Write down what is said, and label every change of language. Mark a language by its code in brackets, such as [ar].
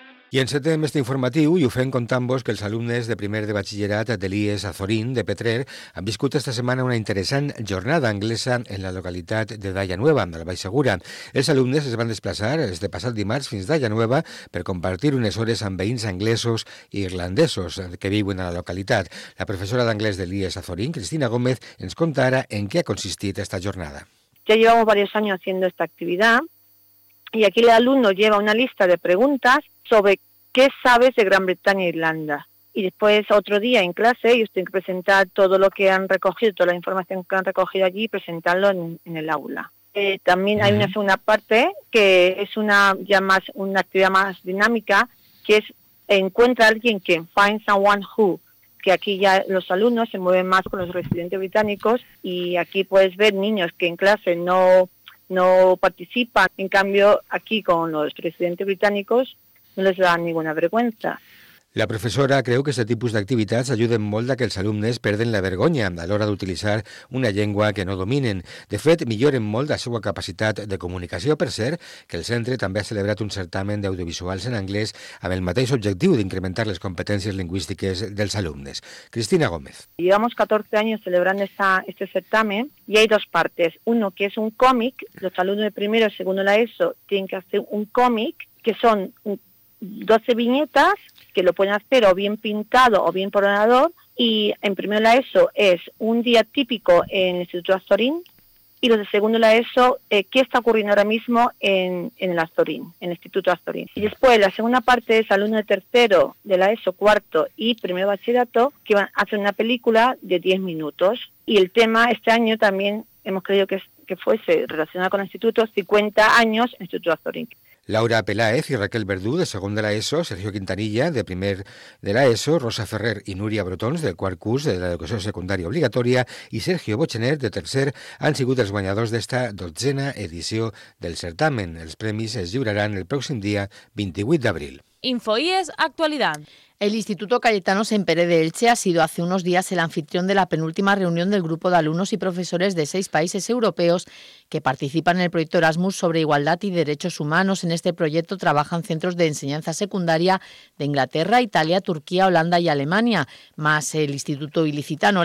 [ca] I encetem este informatiu i ho fem contant-vos que els alumnes de primer de batxillerat de l'IES Azorín de Petrer han viscut esta setmana una interessant jornada anglesa en la localitat de Dayanueva, al Baix Segura. Els alumnes es van desplaçar des de passat dimarts fins a Dayanueva per compartir unes hores amb veïns anglesos i irlandesos que viuen a la localitat. La professora d'anglès de l'IES Azorín, Cristina Gómez, ens conta ara en què ha consistit esta jornada. [es] Ya llevamos varios años haciendo esta actividad y aquí el alumno lleva una lista de preguntas sobre qué sabes de Gran Bretaña e Irlanda. Y después, otro día en clase, ellos tienen que presentar todo lo que han recogido, toda la información que han recogido allí y presentarlo en el aula. También hay una segunda parte que es una actividad más dinámica, que es encuentra a alguien que, [en] find someone who, [es] que aquí ya los alumnos se mueven más con los residentes británicos y aquí puedes ver niños que en clase no participan. En cambio, aquí con los residentes británicos no les da ninguna vergüenza. [ca] La professora creu que aquest tipus d'activitats ajuden molt a que els alumnes perden la vergonya a l'hora d'utilitzar una llengua que no dominen. De fet, milloren molt la seva capacitat de comunicació, per cert, que el centre també ha celebrat un certamen d'audiovisuals en anglès amb el mateix objectiu d'incrementar les competències lingüístiques dels alumnes. Cristina Gómez. [es] Llevamos 14 años celebrando este certamen y hay dos partes. Uno, que es un cómic. Los alumnos de primero y segundo la ESO tienen que hacer un cómic, que son 12 viñetas que lo pueden hacer o bien pintado o bien por ordenador, y en primero la ESO es un día típico en el Instituto Azorín, y los de segundo la ESO, ¿qué está ocurriendo ahora mismo en el Azorín, en el Instituto Azorín? Y después la segunda parte es alumno de tercero de la ESO, cuarto y primero bachillerato, que van a hacer una película de 10 minutos, y el tema este año también hemos creído que fuese relacionado con el Instituto, 50 años en el Instituto Azorín. Laura Peláez y Raquel Verdú, de segundo de la ESO, Sergio Quintanilla, de primer de la ESO, Rosa Ferrer y Núria Brotons, del quart curs de la Educación Secundaria Obligatoria, y Sergio Bochener, de tercer, han sigut els guanyadors d'esta dotzena edició del certamen. Els premis es lliuraran el pròxim dia 28 d'abril. InfoIES Actualidad. El Instituto Cayetano Sempere de Elche ha sido hace unos días el anfitrión de la penúltima reunión del grupo de alumnos y profesores de 6 países europeos que participan en el proyecto Erasmus sobre igualdad y derechos humanos. En este proyecto trabajan centros de enseñanza secundaria de Inglaterra, Italia, Turquía, Holanda y Alemania, más el Instituto Ilicitano.